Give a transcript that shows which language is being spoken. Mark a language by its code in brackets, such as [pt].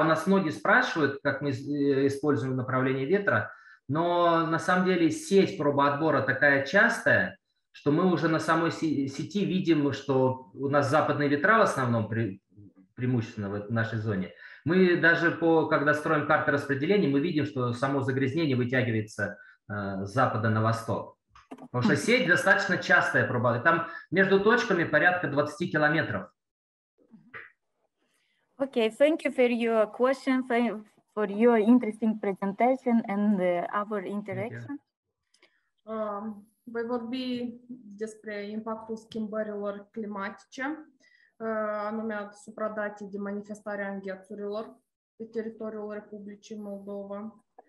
[ru] У нас многие спрашивают, как мы используем направление ветра, но на самом деле сеть пробоотбора такая частая, что мы уже на самой сети видим, что у нас западные ветра в основном преимущественно в нашей зоне. Мы даже, когда строим карты распределения, мы видим, что само загрязнение вытягивается с запада на восток. Потому что сеть достаточно частая пробоотбора. Там между точками порядка 20 километров. [en] Okay, thank you for your question, for your interesting presentation and our interaction. [ro] Voi vorbi despre impactul schimbărilor climatice, anume asupra datei de manifestare a înghețurilor pe teritoriul Republicii Moldova.